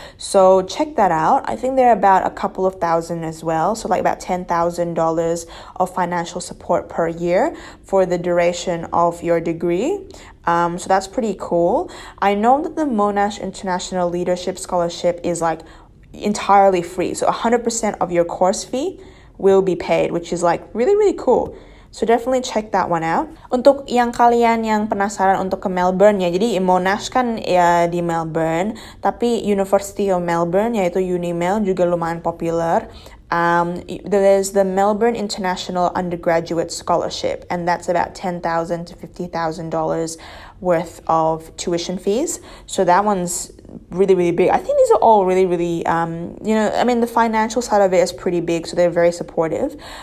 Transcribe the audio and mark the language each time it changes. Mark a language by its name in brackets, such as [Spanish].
[English] So check that out. I think they're about a couple of thousand as well, so like about $10,000 of financial support per year for the duration of your degree. So that's pretty cool. I know that the Monash International Leadership Scholarship is like entirely free, so 100% of your course fee will be paid, which is like really, really cool. So definitely check that one out. [Indonesian] Untuk yang kalian yang penasaran untuk ke Melbourne ya, jadi Monash kan ya di Melbourne, tapi University of Melbourne, yaitu UniMel, juga lumayan popular. [English] There's the Melbourne International Undergraduate Scholarship, and that's about $10,000 to $50,000 worth of tuition fees. So that one's really, really big. I think these are all really, really, you know, I mean, the financial side of it is pretty big, so they're very supportive.